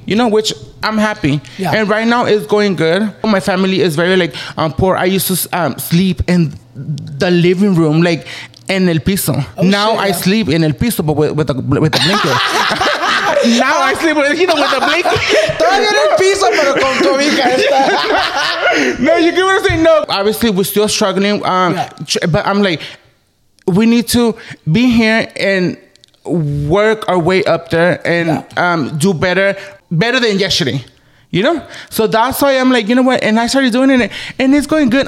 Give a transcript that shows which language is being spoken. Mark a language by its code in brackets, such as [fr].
[en] You know, which I'm happy. Yeah. And right now it's going good. My family is very like poor. I used to sleep in the living room, like in [es] el piso. Oh, [en] now shit, I sleep in [es] el piso, [en] but with a blanket. Now I sleep with, you know, with a blanket. [es] Todavía en el piso, pero con tu amiga [en] esta. No, you get what I'm saying? No. Obviously, we're still struggling. But I'm like, we need to be here and work our way up there and do better than yesterday. You know? So that's why I'm like, you know what? And I started doing it and it's going good.